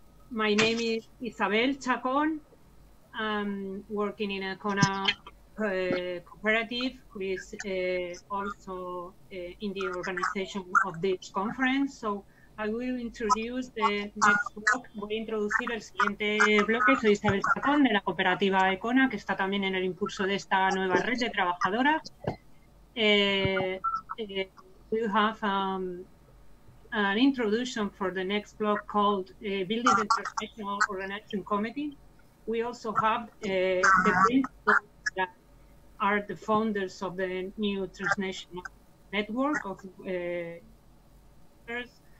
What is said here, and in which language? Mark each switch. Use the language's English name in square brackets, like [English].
[English] My name is Isabel Chacón. I'm working in a cooperative who is also in the organization of this conference. So I will introduce the next block. [Spanish] Voy a introducir el siguiente bloque. Soy Isabel Chacón, de la cooperativa Econa, que está también en el impulso de esta nueva red de trabajadoras. [English] We have an introduction for the next block called Building the Transnational Organizing Committee. We also have the principles that are the founders of the new transnational network of workers.